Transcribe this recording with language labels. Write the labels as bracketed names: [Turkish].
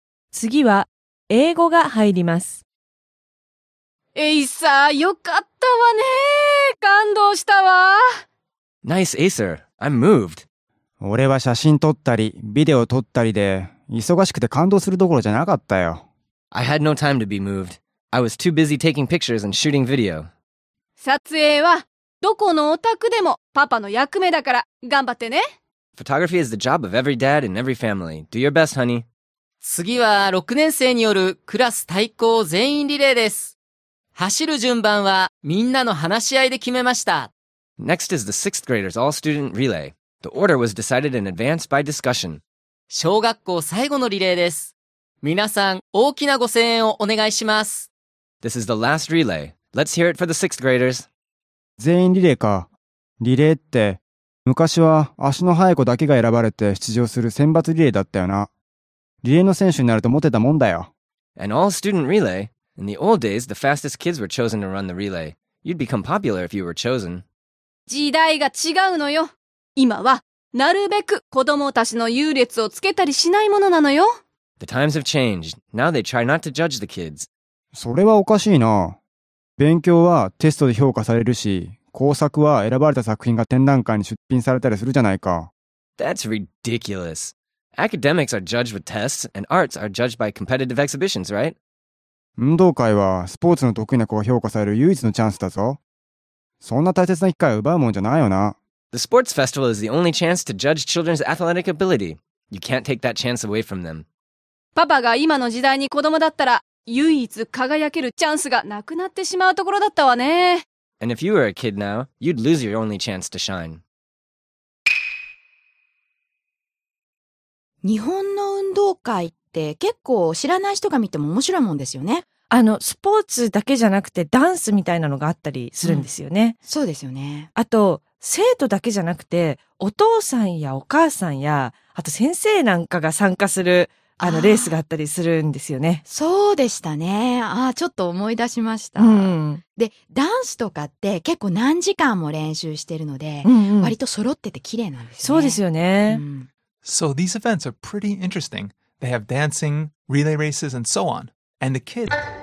[Japanese] 次は英語が入ります。エイサー、よかったわね、感動したわ。 [English] ナイスエイサー、I'm moved。 [Japanese] 俺は写真撮ったりビデオ撮ったりで忙しくて感動するどころじゃなかったよ。 [English] I had no time to be moved. I was too busy taking pictures and shooting video. [Japanese] 撮影はどこのお宅でもパパの役目だから頑張ってね。 [English] Photography is the job of every dad and every family. Do your best, honey. [Japanese] 次は6年生によるクラス対抗全員リレーです。走る順番はみんなの話し合いで決めました。 [English] Next is the 6th graders all student relay. The order was decided in advance by discussion. [Japanese] 小学校最後のリレーです。皆さん、大きなご声援をお願いします。 [English] This is the last relay. Let's hear it for the sixth graders. [Japanese] 全員リレーか。リレーって、昔は足の速い子だけが選ばれて出場する選抜リレーだったよな。リレーの選手になるとモテたもんだよ。 [English] An all-student relay. In the old days, the fastest kids were chosen to run the relay. You'd become popular if you were chosen. [Japanese] 時代が違うのよ。今は。なるべく子供たちの優劣をつけたりしないものなのよ。 [English] The times have changed. Now they try not to judge the kids. [Japanese] それはおかしいな。勉強はテストで評価されるし、工作は選ばれた作品が展覧会に出品されたりするじゃないか。 [English] That's ridiculous. Academics are judged with tests, and arts are judged by competitive exhibitions, right? [Japanese] 運動会はスポーツの得意な子が評価される唯一のチャンスだぞ。そんな大切な機会を奪うもんじゃないよな。 [English] The sports festival is the only chance to judge children's athletic ability. You can't take that chance away from them. [Japanese] パパが今の時代に子供だったら唯一輝けるチャンスがなくなってしまうところだったわね。 [English] And if you were a kid now, you'd lose your only chance to shine. [Japanese] 日本の運動会って結構知らない人が見ても面白いもんですよね。あのスポーツだけじゃなくてダンスみたいなのがあったりするんですよね、うん、そうですよね。あと生徒だけじゃなくてお父さんやお母さんやあと先生なんかが参加するあのレースがあったりするんですよね。そうでしたね。あ、ちょっと思い出しました、うん、でダンスとかって結構何時間も練習してるので、うんうん、割と揃ってて綺麗なんですね。そうですよね、うん、 [English] So these events are pretty interesting. They have dancing, relay races and so onAnd the kids.